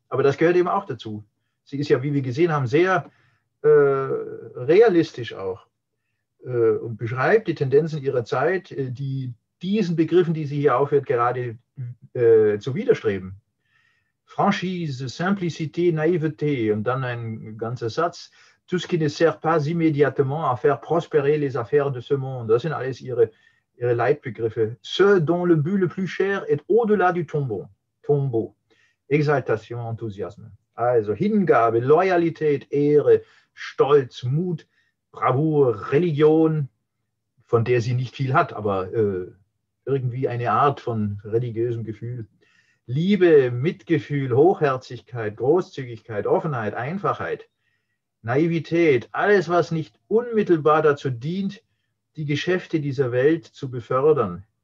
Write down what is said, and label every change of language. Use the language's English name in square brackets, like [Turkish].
[German] Aber das gehört eben auch dazu. Sie ist ja, wie wir gesehen haben, sehr realistisch auch und beschreibt die Tendenzen ihrer Zeit, die diesen Begriffen, die sie hier aufhört, gerade zu widerstreben. [French] Franchise, Simplicité, Naïveté [German] und dann ein ganzer Satz. [French] Tout ce qui ne sert pas immédiatement à faire prospérer les affaires de ce monde. [German] Das sind alles ihre Leitbegriffe. [French] Ce dont le but le plus cher est au-delà du tombeau. Tombeau. Exaltation, Enthusiasme. [German] Also Hingabe, Loyalität, Ehre, Stolz, Mut, Bravour, Religion, von der sie nicht viel hat, aber irgendwie eine Art von religiösem Gefühl. Liebe, Mitgefühl, Hochherzigkeit, Großzügigkeit, Offenheit, Einfachheit, Naivität, alles, was nicht unmittelbar dazu dient, die Geschäfte dieser Welt zu befördern.